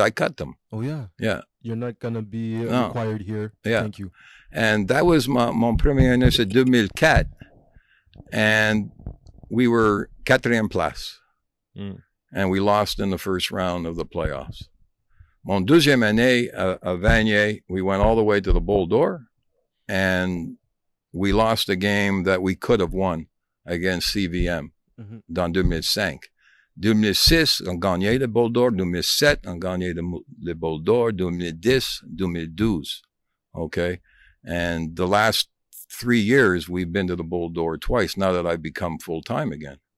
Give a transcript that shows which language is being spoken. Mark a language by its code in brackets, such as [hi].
[en] I cut them. Oh, yeah. Yeah. You're not going to be required here. Yeah. Thank you. And that was [fr] mon premier année, c'est 2004. [en] And we were [fr] quatrième place. [en] Mm. And we lost in the first round of the playoffs. [fr] Mon deuxième année à Vanier, [en] we went all the way to the Bowl d'Or. And we lost a game that we could have won against CVM, dans 2005. [fr] 2006, on gagné le Bowl d'Or. 2007, on gagné le Bowl d'Or. [en] 2010, 2012. Okay. And the last 3 years, we've been to the Bowl d'Or twice now that I've become full time again.